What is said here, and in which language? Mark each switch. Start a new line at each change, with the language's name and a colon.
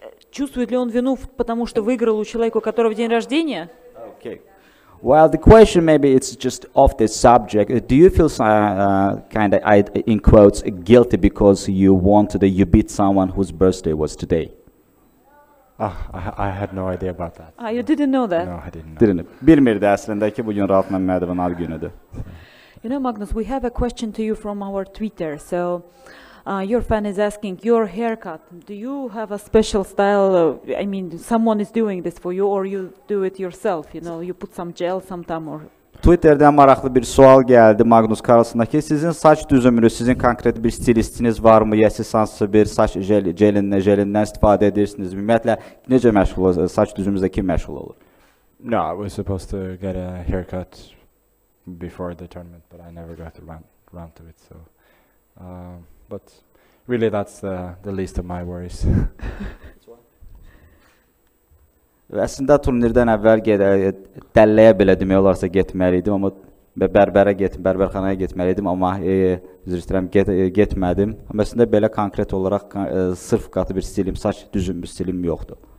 Russian: Чувствует ли он вину, потому что выиграл у человека, у которого день рождения?
English: Okay. Well, the question maybe it's just off this subject. Do you feel kind of, in quotes, guilty because you beat someone whose birthday was today? I had no idea about that. Ah, you didn't know that? No, I didn't know. Didn't.
Azerbaijani: Bilmirdi aslında ki bugün Rauf Mamedov'un ad günüdür.
English: You know, Magnus, we have a question to you from our Twitter. So, your fan is asking, your haircut, do you have a special style? I mean, someone is doing this for you, or you do it yourself? You know, you put some gel sometime or
Azerbaijani: Twitter'dan maraqlı bir sual gəldi Magnus Carlsen'a ki, sizin saç düzümünüz, sizin konkret bir stilistiniz var mı? Yəni siz hansı bir saç jelindən istifadə edirsiniz? Ümumiyyətlə, necə məşğul olur, saç düzümüzdə kim məşğul olur?
English: No, I was supposed to get a haircut before the tournament, but I never got around to it, so... But really, that's the least of my worries.
Azerbaijani: Əslində turnirdən əvvəl dəlləyə belə demək olarsa getməli idim, amma bərbərxanaya getməli idim, amma üzr istəyirəm, getmədim. Amma əslində belə konkret olaraq sırf qatı bir stilim, saç düzüm bir stilim yoxdur.